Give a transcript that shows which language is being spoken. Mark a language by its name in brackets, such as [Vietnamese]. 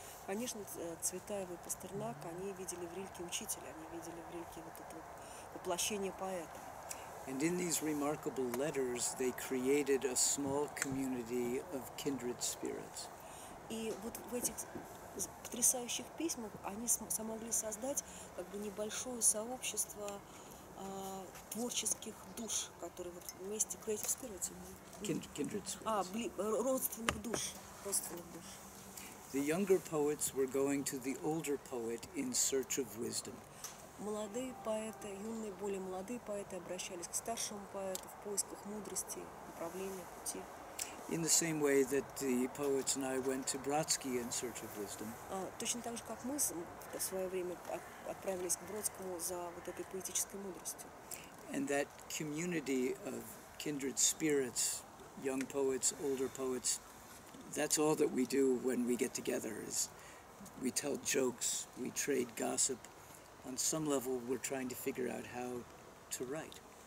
[Russian] Конечно, Цветаева и Пастернак, они видели в Рильке учителя, они видели в Рильке вот это воплощение поэта. [English] And in these remarkable letters, they created a small community of kindred spirits. [Russian] И вот в этих потрясающих письмах они смогли создать как бы небольшое сообщество творческих душ, которые вот вместе [English] creative spirits. Kindred spirits. [Russian] Родственных душ. [English] The younger poets were going to the older poet in search of wisdom. [Russian] Молодые поэты, юные, более молодые поэты обращались к старшему поэту в поисках мудрости, направления, пути. [English] In the same way that the poets and I went to Brodsky in search of wisdom. [Russian] Точно так же, как мы в свое время отправились к Бродскому за вот этой поэтической мудростью. [English] And that community of kindred spirits, young poets, older poets, that's all that we do when we get together, is we tell jokes, we trade gossip. On some level, we're trying to figure out how to write.